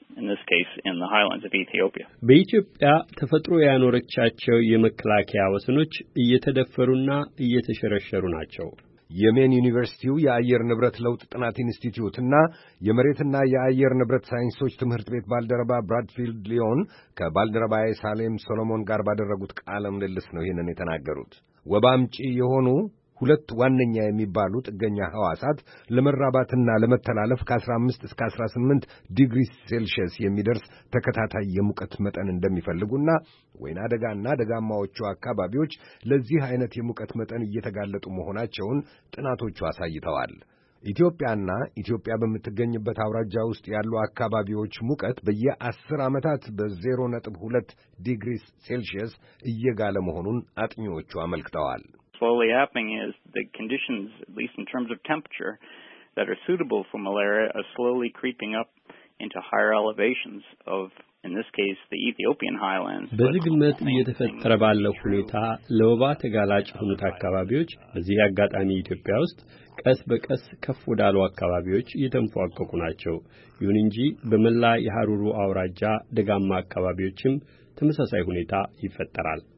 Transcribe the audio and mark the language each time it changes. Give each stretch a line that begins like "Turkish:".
English: In this case, in the highlands of Ethiopia.
Amharic: በኢትዮጵያ ተፈጥሮ ያኖረቻቸው የመከላከያ ወሰኖች እየተደፈሩና እየተሸረሸሩ ናቸው። የሜን ዩኒቨርሲቲው የአየር ንብረት ለውጥ ጥናት ኢንስቲትዩትና የመሬትና የአየር ንብረት ሳይንሶች ትምህርት ቤት ባልደረባ ብራድፊልድ ሊዮን ከባልደረባ ሳሌም ሶሎሞን ጋር ባደረጉት ቃለ ምልልስ ነው ይህንን የተናገሩት። ወባ አምጪ የሆኑ ሁለት ዋነኛ የሚባሉ ጥገኛ ሐዋሳት ለመራባትና ለመተላለፍ ከ15 እስከ 18 ዲግሪ ሴልሺየስ የሚደርስ ተከታታይ የሙቀት መጠን እንደሚፈልጉና ወይና ደጋና ደጋማዎቹ አካባቢዎች ለዚህ አይነት የሙቀት መጠን እየተጋለጡ መሆናቸውን ጥናቶቹ አሳይተዋል። ኢትዮጵያና ኢትዮጵያ በመትገኝበት አውራጃ ውስጥ ያሉ አካባቢዎች ሙቀት በየ10 አመታት በ0.2 ዲግሪ ሴልሺየስ እየጋለ መሆኑን አጥኚዎቹ አመልክተዋል።
English: Slowly happening is the conditions, at least in terms of temperature, that are suitable for malaria are slowly creeping up into higher elevations of, in this case, the Ethiopian highlands.
Amharic: በዝግመት እየተፈጠረ ባለው ሁኔታ ለወባ ተጋላጭ ሁኔታ አካባቢዎች በዚህ አጋጣሚ ኢትዮጵያ ውስጥ ቀስ በቀስ ከፍ ወዳሉ አካባቢዎች እየተንፏቀቁ ናቸው። ይሁን እንጂ በመላ የሐሩሩ አውራጃ ደጋማ አካባቢዎችም ተመሳሳይ ሁኔታ ይፈጠራል።